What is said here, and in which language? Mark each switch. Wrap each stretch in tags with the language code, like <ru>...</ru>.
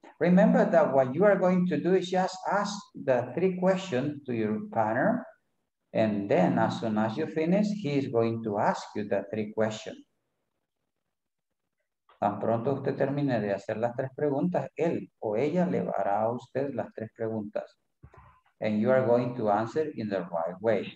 <en>Remember that what you are going to do is just ask the three questions to your partner, and then as soon as you finish, he is going to ask you the three questions.</en> <es>Tan pronto usted termine de hacer las tres preguntas, él o ella le hará a usted las tres preguntas.</es> <en>And you are going to answer in the right way.</en>